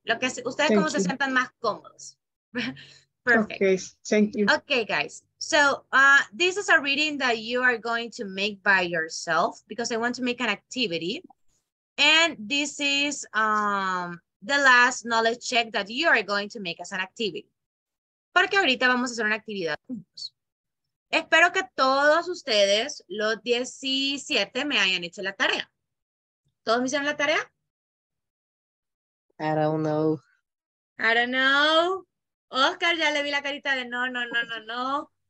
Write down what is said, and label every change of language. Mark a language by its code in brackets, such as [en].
[es] Lo que ustedes como se sientan más cómodos. [en] Perfect. Okay, thank you. Okay, guys. So this is a reading that you are going to make by yourself because I want to make an activity. And this is... the last knowledge check that you are going to make as an activity. [es] Porque ahorita vamos a hacer una actividad juntos. Espero que todos ustedes, los 17, me hayan hecho la tarea. ¿Todos me hicieron la tarea? [en] I don't know. I don't know. [es] Oscar, ya le vi la carita de no, no, no, no, no.